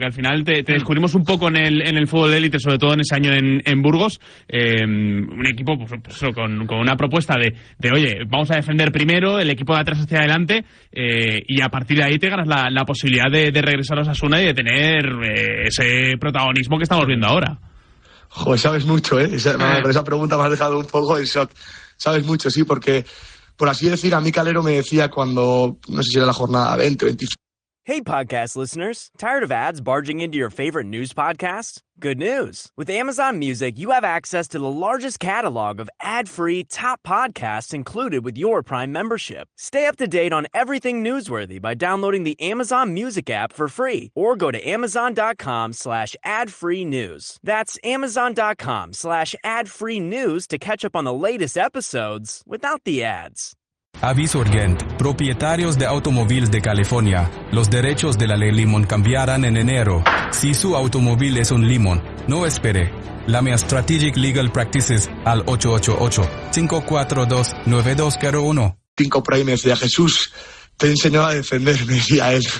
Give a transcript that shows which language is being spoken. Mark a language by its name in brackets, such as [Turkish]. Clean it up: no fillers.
[Spanish] Que al final te descubrimos un poco en el fútbol de élite, sobre todo en ese año en Burgos, un equipo con una propuesta de, oye, vamos a defender primero, el equipo de atrás hacia adelante, y a partir de ahí te ganas la posibilidad de regresar a Osasuna de tener ese protagonismo que estamos viendo ahora. Joder, sabes mucho, ¿eh? Esa pregunta me ha dejado un poco en shock. Sabes mucho, sí, porque, por así decir, a mí Calero me decía cuando, no sé si era la jornada 20, 25. [English] Hey, podcast listeners. Tired of ads barging into your favorite news podcasts? Good news. With Amazon Music, you have access to the largest catalog of ad-free top podcasts included with your Prime membership. Stay up to date on everything newsworthy by downloading the Amazon Music app for free or go to amazon.com/adfreenews. That's amazon.com/adfreenews to catch up on the latest episodes without the ads. [Spanish] Aviso urgente. Propietarios de automóviles de California, los derechos de la ley Limón cambiarán en enero. Si su automóvil es un Limón, no espere. Llame a Strategic Legal Practices al 888-542-9201. Cinco primers de Jesús. Te enseñó a defender, me decía él.